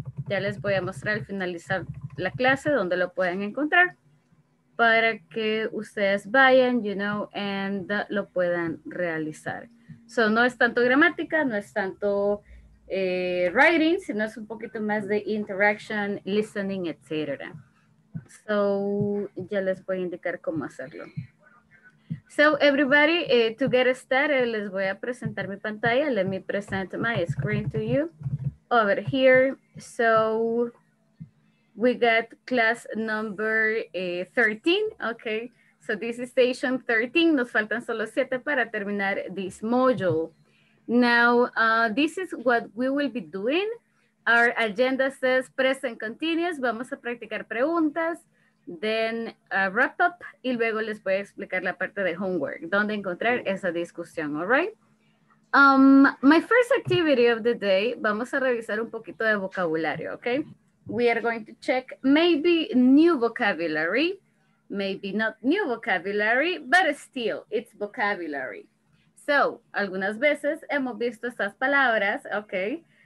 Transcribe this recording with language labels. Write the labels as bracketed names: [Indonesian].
[Spanish] Ya les voy a mostrar al finalizar la clase donde lo pueden encontrar para que ustedes vayan, [English] you know, and [Spanish] lo puedan realizar. So, no es tanto gramática, no es tanto writing, sino es un poquito más de interaction, listening, etc. So, ya les voy a indicar cómo hacerlo. [English] So, everybody, to get started, [Spanish] les voy a presentar mi pantalla. [English] Let me present my screen to you over here. So, we got class number 13, okay? So, this is station 13. [Spanish] Nos faltan solo 7 para terminar [English] this module. Now, this is what we will be doing. Our agenda says present continuous. [Spanish] Vamos a practicar preguntas. [English] Then wrap up [Spanish] y luego les voy a explicar la parte de homework, donde encontrar esa discusión, [English] all right? My first activity of the day, [Spanish] vamos a revisar un poquito de vocabulario, okay? [English] We are going to check maybe new vocabulary, maybe not new vocabulary, but still, it's vocabulary. [Spanish] So, algunas veces hemos visto estas palabras, okay?